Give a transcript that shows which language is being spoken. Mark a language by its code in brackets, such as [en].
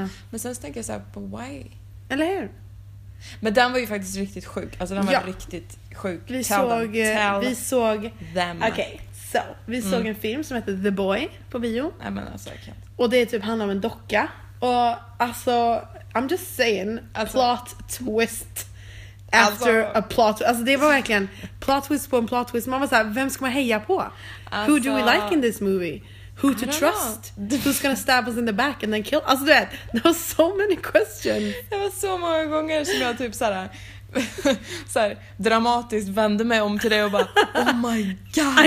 [sv] Men sen så tänker jag så här, [en] but why? [sv] Eller hur? Men den var ju faktiskt riktigt sjuk. Alltså den var riktigt sjuk. Vi såg [en] them. [sv] Okej. Okay. Så, vi såg en film som heter The Boy på bio. Nej, men alltså, jag kan. Och det är typ handlar om en docka. Och alltså, [en] I'm just saying, [sv] alltså, [en] plot twist after alltså, a plot twist. [sv] Alltså det var verkligen plot twist på en plot twist. Man var såhär, vem ska man heja på? Alltså, [en] who do we like in this movie? Who to trust? Know. Who's gonna stab us in the back and then kill? [sv] Alltså du vet, [en] there were so many questions. [sv] Det var så många gånger som jag typ såhär så här, dramatiskt vände mig om till dig och bara, [en] oh my god,